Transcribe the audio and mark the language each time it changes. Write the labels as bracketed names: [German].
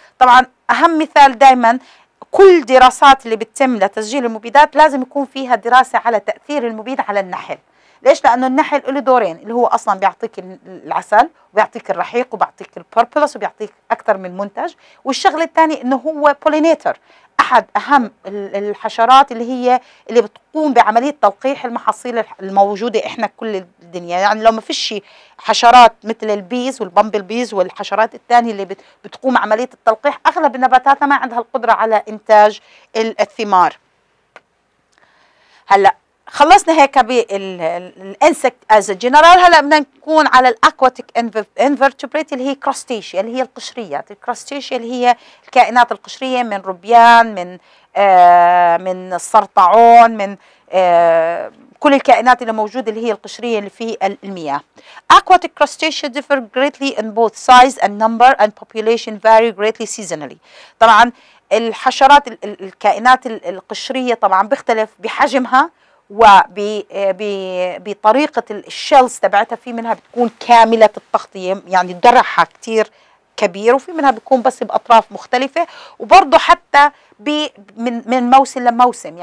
[Arabic] طبعا اهم مثال دائما كل دراسات اللي بتتم لتسجيل المبيدات لازم يكون فيها دراسه على تاثير المبيد على النحل. ليش؟ لانه النحل له دورين، اللي هو اصلا بيعطيك العسل وبيعطيك الرحيق وبيعطيك البربلس وبيعطيك اكثر من منتج، والشغله الثانيه انه هو بولينيتر، احد اهم الحشرات اللي هي اللي بتقوم بعمليه تلقيح المحاصيل الموجوده احنا كل الدنيا. يعني لو ما فيش شيء حشرات مثل البيز والبامبل بيز والحشرات الثانيه اللي بتقوم عمليه التلقيح، اغلب النباتات ما عندها القدره على انتاج الثمار. [English] هلا خلصنا هيك بالانسكت از جنرال. [Arabic] هلا بدنا نكون على الاكواتيك انفرتبريت اللي هي كراستيشيا، اللي هي القشريات. الكراستيشيا اللي هي الكائنات القشريه، من روبيان، من السرطعون، من كل الكائنات اللي موجوده اللي هي القشريه اللي في المياه. [English] Aquatic crustacea differ greatly in both size and number and population vary greatly seasonally. [Arabic] طبعا الحشرات الكائنات القشريه طبعا بيختلف بحجمها وبطريقة الشلز تبعتها، في منها بتكون كاملة التغطية يعني درعها كتير كبير، وفي منها بيكون بس بأطراف مختلفة، وبرضه حتى من موسم لموسم.